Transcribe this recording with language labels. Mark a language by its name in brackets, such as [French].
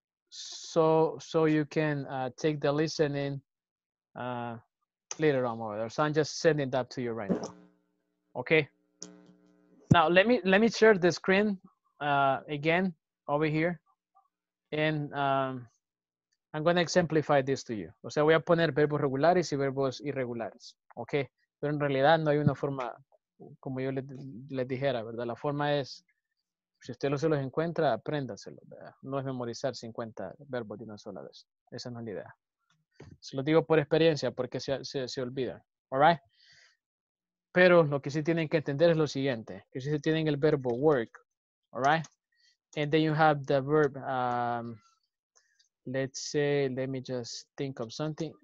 [English] So you can take the listening later on over there. So I'm just sending that to you right now, okay? Now let me share the screen again over here, and I'm going to exemplify this to you. [Spanish] O sea, voy a poner verbos regulares y verbos irregulares, okay? Pero en realidad no hay una forma como yo les dijera, ¿verdad? La forma es, si usted no se los encuentra, apréndaselo, ¿verdad? No es memorizar 50 verbos de una sola vez. Esa no es la idea. Se lo digo por experiencia, porque se olvida. [English] All right? [Spanish] Pero lo que sí tienen que entender es lo siguiente. Que si se tienen el verbo work, [English] all right? And then you have the verb, let's say, let me just think of something.